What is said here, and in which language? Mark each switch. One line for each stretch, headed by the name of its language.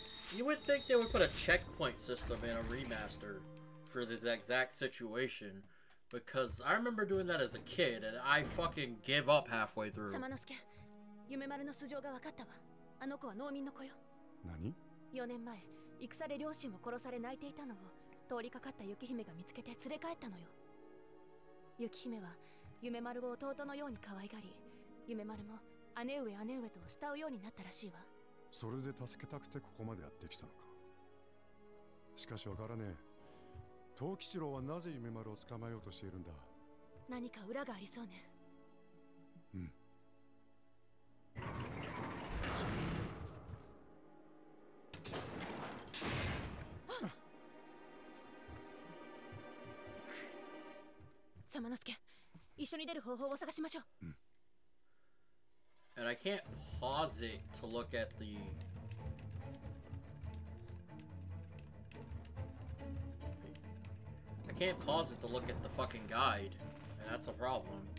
English: They would put a checkpoint system in a remaster for this exact situation, because I remember doing that as a kid and I fucking gave up halfway through.
Japanese: Samanosuke, Yumemaru no sujou ga wakatta wa. Ano ko wa noumin no ko yo. Nani? 4 年前、戦で両親を殺され泣いていたのを通りかかった雪姫が見つけて連れ帰ったのよ。雪姫は Yumemaru を弟のように可愛がり、Yumemaru も姉上姉上と慕うようになったらしいわ。それで助けたくてここまでやってきたのか。しかしわからねえ。藤吉郎はなぜ夢丸を捕まえようとしているんだ。何か裏がありそうね。うん。サマノスケ、一緒に出る方法を探しましょう。うん。
English: And I can't pause it to look at the... I can't pause it to look at the fucking guide. And that's a problem.